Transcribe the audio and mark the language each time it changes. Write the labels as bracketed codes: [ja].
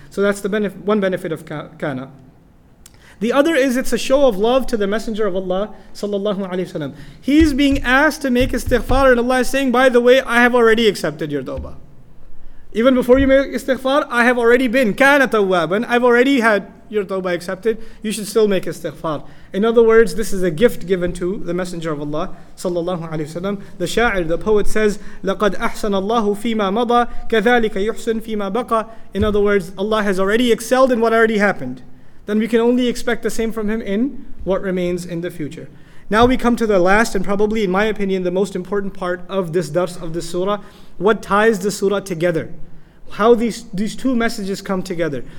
[en] So that's the one benefit of kana. The other is it's a show of love to the Messenger of Allah sallallahu alaihi wasallam. He's being asked to make istighfar and Allah is saying, by the way, I have already accepted your tawbah. Even before you make istighfar, I have already been kana tawwaban. I've already had your tawbah accepted. You should still make istighfar. In other words, this is a gift given to the Messenger of Allah sallallahu alaihi wasallam. The sha'ir, the poet says, [ar] لَقَدْ أَحْسَنَ اللَّهُ فِي مَا مَضَى كَذَلِكَ يُحْسِن فِي مَا بَقَى. [en] In other words, Allah has already excelled in what already happened. Then we can only expect the same from him in what remains in the future. Now we come to the last and probably, in my opinion, the most important part of this dars, of this surah. What ties the surah together? How these two messages come together.